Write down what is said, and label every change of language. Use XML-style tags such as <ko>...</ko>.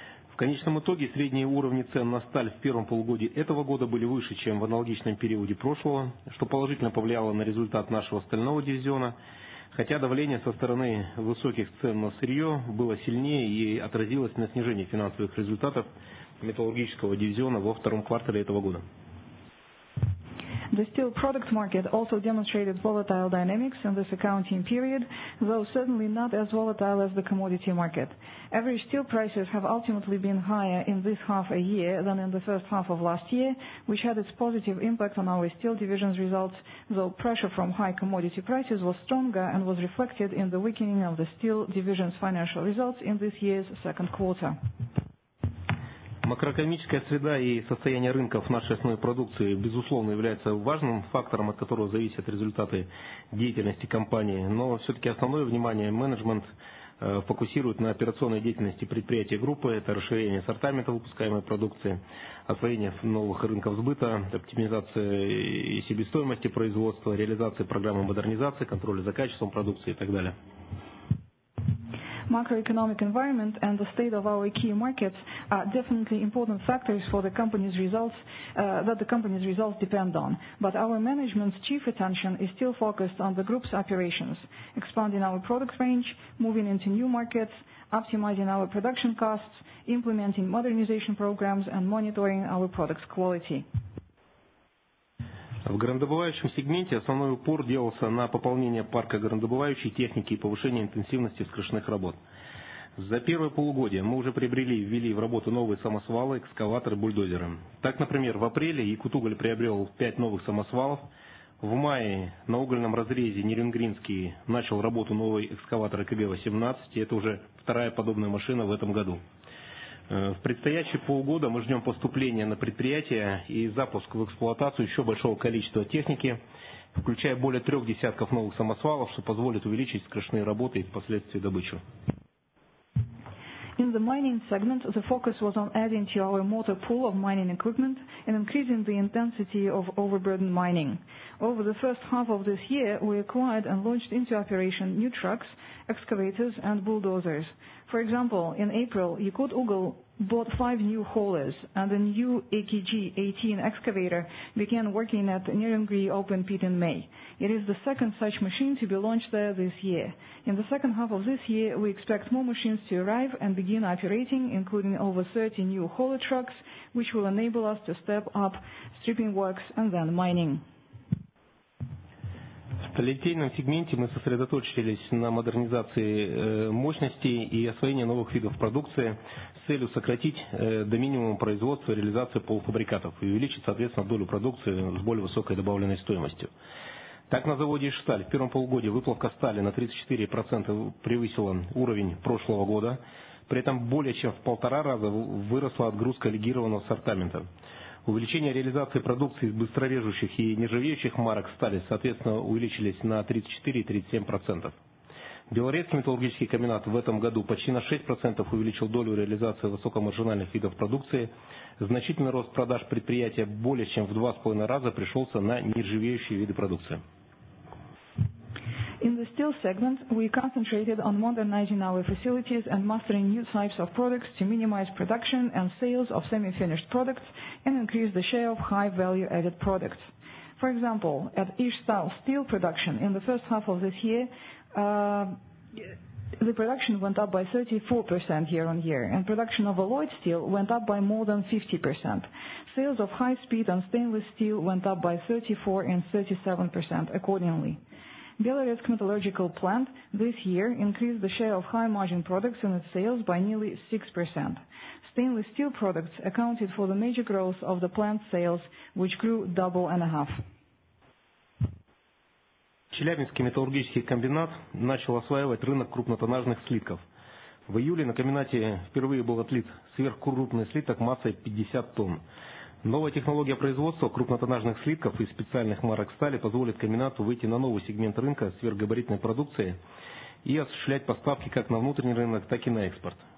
<ru>В конечном итоге средние уровни цен на сталь в первом полугодии этого года были выше, чем в аналогичном периоде прошлого, что положительно повлияло на результат нашего стального дивизиона. хотя давление со стороны высоких цен на сырье было сильнее и отразилось на снижении финансовых результатов металлургического дивизиона во втором квартале этого года.</ru> <en>The steel product market also demonstrated volatile dynamics in this accounting period, though certainly not as volatile as the commodity market. Average steel prices have ultimately been higher in this half a year than in the first half of last year, which had its positive impact on our steel division's results, though pressure from high commodity prices was stronger and was reflected in the weakening of the steel division's financial results in this year's second quarter.</en> <ru>Макроэкономическая среда и состояние рынков нашей основной продукции, безусловно, является важным фактором, от которого зависят результаты деятельности компании. Но все-таки основное внимание менеджмент фокусирует на операционной деятельности предприятий группы. Это расширение ассортимента выпускаемой продукции, освоение новых рынков сбыта, оптимизация и себестоимости производства, реализация программы модернизации, контроля за качеством продукции и так далее.</ru> <en>Macroeconomic environment and the state of our key markets are definitely important factors for the company's results that the company's results depend on. But our management's chief attention is still focused on the group's operations, expanding our product range, moving into new markets, optimizing our production costs, implementing modernization programs, and monitoring our product's quality.</en> <ru>В горнодобывающем сегменте основной упор делался на пополнение парка горнодобывающей техники и повышение интенсивности вскрышных работ. За первое полугодие мы уже приобрели и ввели в работу новые самосвалы, экскаваторы, бульдозеры. Так, например, в апреле Якутуголь приобрел 5 новых самосвалов. В мае на угольном разрезе Нерюнгринский начал работу новый экскаватор КГ-18, и это уже вторая подобная машина в этом году. В предстоящие полгода мы ждем поступления на предприятие и запуск в эксплуатацию еще большого количества техники, включая более 3 десятков новых самосвалов, что позволит увеличить скоростные работы и впоследствии добычу.</ru> <en>In the mining segment, the focus was on adding to our motor pool of mining equipment and increasing the intensity of overburden mining. Over the first half of this year, we acquired and launched into operation new trucks, excavators, and bulldozers. For example, in April, Yakut-Ugol bought 5 new haulers, and a new AKG-18 excavator began working at the Nerungri open pit in May. It is the second such machine to be launched there this year. In the second half of this year, we expect more machines to arrive and begin operating, including over 30 new hauler trucks, which will enable us to step up stripping works and then mining.</en> <ru>В литейном сегменте мы сосредоточились на модернизации мощностей и освоении новых видов продукции с целью сократить до минимума производство и реализацию полуфабрикатов и увеличить, соответственно, долю продукции с более высокой добавленной стоимостью. Так, на заводе «Ишсталь» в первом полугодии выплавка стали на 34% превысила уровень прошлого года. При этом более чем в полтора раза выросла отгрузка легированного ассортимента. Увеличение реализации продукции из быстрорежущих и нержавеющих марок стали, соответственно, увеличились на 34-37%. Белорецкий металлургический комбинат в этом году почти на 6% увеличил долю реализации высокомаржинальных видов продукции. Значительный рост продаж предприятия более чем в 2.5 раза пришелся на нержавеющие виды продукции.</ru> <en>In the steel segment, we concentrated on modernizing our facilities and mastering new types of products to minimize production and sales of semi-finished products and increase the share of high value-added products. For example, at Ishtal steel production in the first half of this year, the production went up by 34% year-on-year, and production of alloyed steel went up by more than 50%. Sales of high-speed and stainless steel went up by 34% and 37% accordingly. Belarus Metallurgical Plant this year increased the share of high-margin products in its sales by nearly 6%. Stainless steel products accounted for the major growth of the plant sales, which grew 2.5 times.</en> <ru>Челябинский металлургический комбинат начал осваивать рынок крупнотоннажных слитков. В июле на комбинате впервые был отлит сверхкрупный слиток массой 50 тонн. Новая технология производства крупнотоннажных слитков и специальных марок стали позволит комбинату выйти на новый сегмент рынка сверхгабаритной продукции и осуществлять поставки как на внутренний рынок, так и на экспорт.</ru>